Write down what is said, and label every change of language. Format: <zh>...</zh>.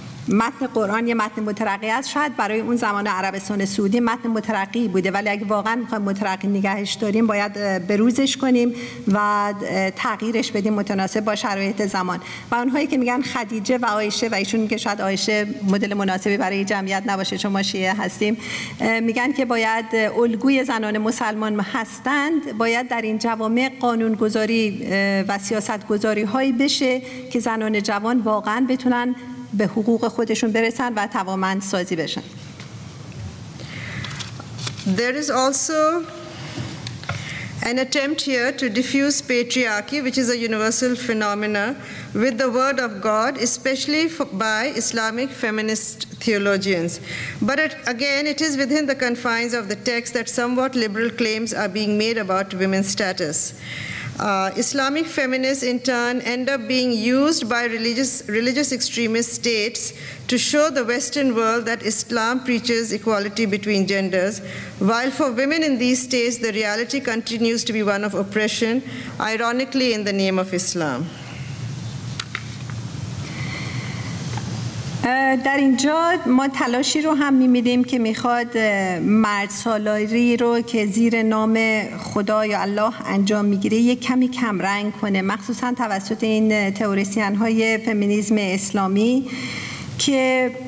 <fa>متن قرآن یه متن مترقی است شاید برای اون زمان عربستان سعودی متن مترقی بوده ولی اگه واقعا می‌خوایم مترقی نگهش داریم باید بروزش کنیم و تغییرش بدیم متناسب با شرایط زمان و اونهایی که میگن خدیجه و عایشه و ایشون که شاید عایشه مدل مناسبی برای جمعیت نباشه چون ما شیعه هستیم میگن که باید الگوی زنان مسلمان هستند باید در این جوامع قانون‌گذاری و سیاست‌گذاری‌هایی بشه که زنان جوان واقعا بتونن به حقوق خودشون برسن و توامند سازی بشن.</fa> <en>There is also an attempt here to diffuse patriarchy, which is a universal phenomena, with the word of God, especially by Islamic feminist theologians. But again, it is within the confines of the text that somewhat liberal claims are being made about women's status. Islamic feminists, in turn, end up being used by religious extremist states to show the Western world that Islam preaches equality between genders, while for women in these states, the reality continues to be one of oppression, ironically in the name of Islam.</en> <fa>در اینجا ما تلاشی رو هم می‌بینیم که می‌خواد مردسالاری رو که زیر نام خدا یا الله انجام می‌گیره یک کمی کم رنگ کنه مخصوصا توسط این تئوریسین‌های فمینیسم اسلامی که</fa>